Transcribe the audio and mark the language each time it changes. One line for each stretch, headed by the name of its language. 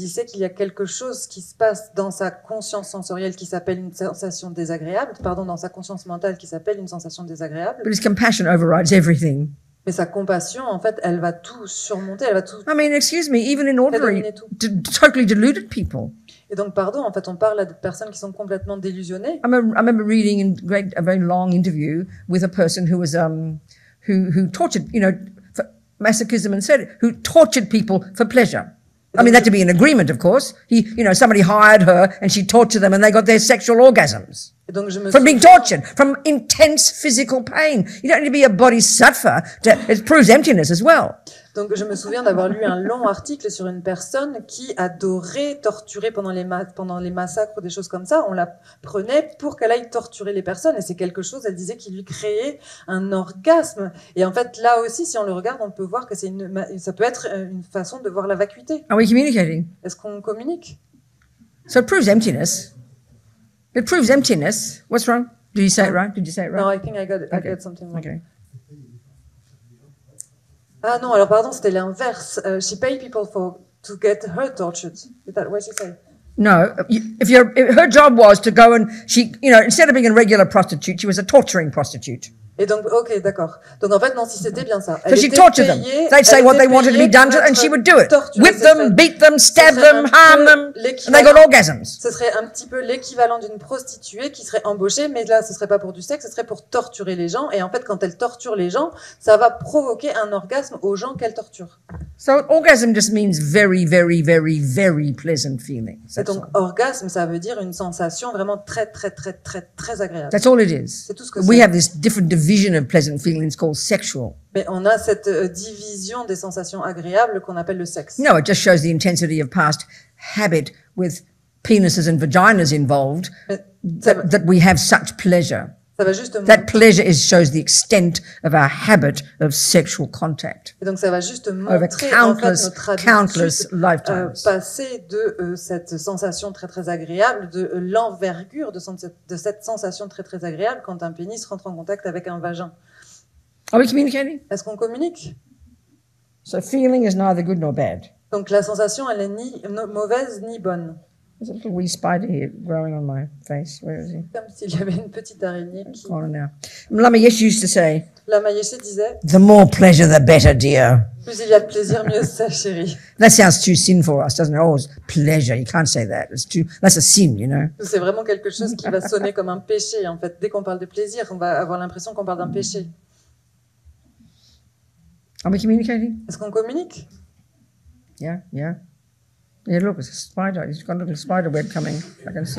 French: Il sait qu'il y a quelque chose qui se passe dans sa conscience sensorielle qui s'appelle une sensation désagréable. Pardon, dans sa conscience mentale qui s'appelle une sensation désagréable.
English: But his compassion overrides everything.
French: Mais sa compassion, en fait, elle va tout surmonter. Elle va tout.
English: I mean, excuse me. Even in ordinary, totally deluded people.
French: Et donc, pardon, en fait, on parle à des personnes qui sont complètement délusionnées.
English: I remember reading in a very long interview with a person who was who tortured, you know, for masochism and said who tortured people for pleasure. I mean, that to be an agreement, of course. He, you know, somebody hired her and she tortured them and they got their sexual orgasms.
French: Et donc, je me
English: from being tortured, from intense physical pain. You don't need to be a bodhisattva. It proves emptiness as well.
French: Donc, je me souviens d'avoir lu un long article sur une personne qui adorait torturer pendant les massacres ou des choses comme ça. On la prenait pour qu'elle aille torturer les personnes. Et c'est quelque chose, elle disait, qui lui créait un orgasme. Et en fait, là aussi, si on le regarde, on peut voir que ça peut être une façon de voir la vacuité.
English: Are we communicating?
French: Est-ce qu'on communique?
English: So it proves emptiness. It proves emptiness. What's wrong? Did you say it right? Did you say it right? No, I think I got it. Okay. I got something wrong. Okay.
French: Ah non, alors pardon, c'était l'inverse.
English: She paid people to get her tortured. Is that what she said? No, her job was to go and she, you know, instead of being a regular prostitute, she was a torturing prostitute.
French: Et donc, ok, d'accord. Donc en fait, non, si c'était bien ça.
English: So she tortured them. They'd say what they wanted to be done to, and she would do it. Whip them, beat them, stab them, harm them, and they got orgasms.
French: Ce serait un petit peu l'équivalent d'une prostituée qui serait embauchée, mais là, ce serait pas pour du sexe, ce serait pour torturer les gens. Et en fait, quand elle torture les gens, ça va provoquer un orgasme aux gens qu'elle torture.
English: So orgasm just means very, very, very, very pleasant feeling.
French: Et donc, orgasme, ça veut dire une sensation vraiment très, très, très, très, très agréable.
English: That's all it is.
French: C'est tout ce que c'est.
English: We have this different division of pleasant feelings called sexual.
French: Mais on a cette division des sensations agréables qu'on appelle le sexe.
English: No, it just shows the intensity of past habit with penises and vaginas involved that we have such pleasure.
French: Ça va juste
English: that pleasure shows the extent of our habit of sexual contact.
French: Et donc ça va juste montrer
English: countless,
French: en fait,
English: countless lifetimes.
French: Passer de cette sensation très très agréable, de l'envergure de cette sensation très très agréable quand un pénis rentre en contact avec un vagin.
English: Are we communicating?
French: Est-ce qu'on communique?
English: So feeling is neither good nor bad.
French: Donc la sensation, elle est ni mauvaise ni bonne.
English: There's a little wee spider here growing on my face. Where is he?
French: Comme s'il y avait une petite araignée qui...
English: Oh, no. Lama Yeshe used to say...
French: Lama Yeshe disait...
English: The more pleasure, the better, dear.
French: Plus il y a de plaisir, mieux ça, chérie.
English: That sounds too sinful for us, doesn't it? Oh, it's pleasure. You can't say that. It's too... That's a sin, you know?
French: C'est vraiment quelque chose qui va sonner comme un péché, en fait. Dès qu'on parle de plaisir, on va avoir l'impression qu'on parle d'un péché.
English: Are we communicating?
French: Est-ce qu'on communique?
English: Yeah, yeah. Yeah, look, it's a spider. He's got a little spider web coming. I can see.